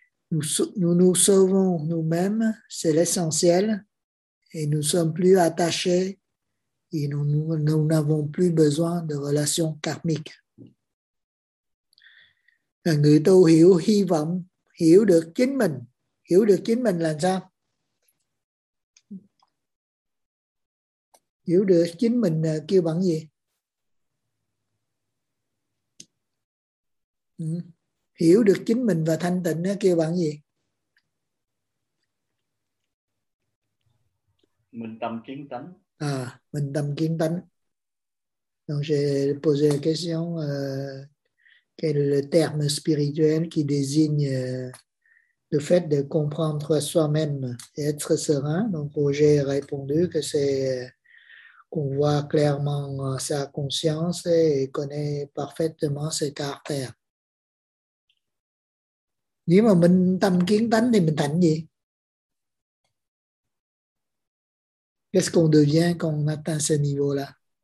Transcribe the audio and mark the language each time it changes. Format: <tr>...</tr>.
<fr>Nous nous sauvons nous-mêmes, c'est l'essentiel, et nous ne sommes plus attachés et nous n'avons plus besoin de relations karmiques.</fr> <vi>Người tu hiểu hy vọng, hiểu được chính mình. Hiểu được chính mình là sao? Hiểu được chính mình kêu bằng gì? Hiểu được chính mình và thanh tịnh kêu bằng gì? Mình tâm kiến tánh. À, mình tâm kiến tánh.</vi> <fr>Donc j'ai posé la question quel est le terme spirituel qui désigne le fait de comprendre soi-même et être serein. Donc Roger a répondu que c'est qu'on voit clairement sa conscience et connaît parfaitement ses caractères.</fr> <vi>Nếu mà mình tâm kiến tánh thì mình thành gì?</vi> <fr>Qu'est-ce qu'on devient quand on atteint ce niveau-là?</fr>